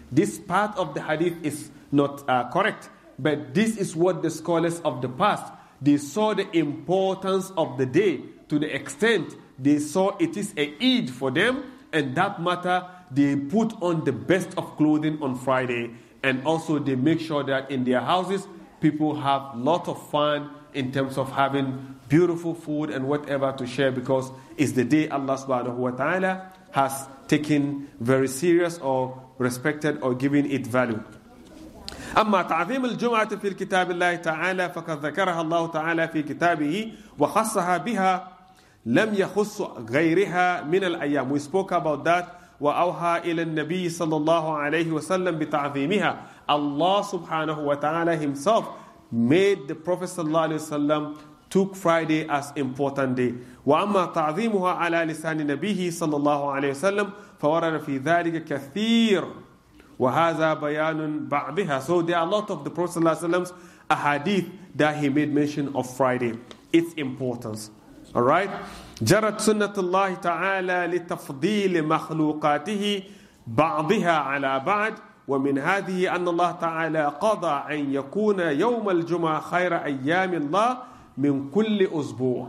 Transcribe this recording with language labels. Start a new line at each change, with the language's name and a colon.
English: This part of the hadith is not correct, but this is what the scholars of the past, they saw the importance of the day to the extent they saw it is an Eid for them, and that matter, they put on the best of clothing on Friday, and also they make sure that in their houses, people have a lot of fun in terms of having beautiful food and whatever to share, because it's the day Allah subhanahu wa ta'ala has taken very serious or respected or given it value.
Arabic: أما تعظيم الجمعة في الكتاب الله تعالى فقد ذكرها الله تعالى في كتابه وخصها بها لم يخص غيرها من الأيام.
English: We spoke about that.
Arabic: وأوحى إلى النبي صلى الله عليه وسلم بتعظيمها.
English: Allah subhanahu wa ta'ala himself made the Prophet صلى الله عليه وسلم took Friday as important day.
Arabic: وأما تعظيمها على لسان نبيه صلى الله عليه وسلم فورد في ذلك كثير. وَهَذَا بَيَانٌ بَعْضِهَا.
English: So there are a lot of the Prophet's ahadith that he made mention of Friday, its importance.
Arabic: Alright? جَرَتْ سُنَّةُ اللَّهِ تَعَالَى لِتَفْضِيلِ مَخْلُوقَاتِهِ بَعْضِهَا عَلَى بَعْدٍ وَمِنْ هَذِهِ أَنَّ اللَّهَ تَعَالَى قَضَى أَنْ يَكُونَ يَوْمَ الْجُمَعَةِ خَيْرَ أَيَّامِ اللَّهِ مِنْ كُلِّ أُسْبُوعٍ.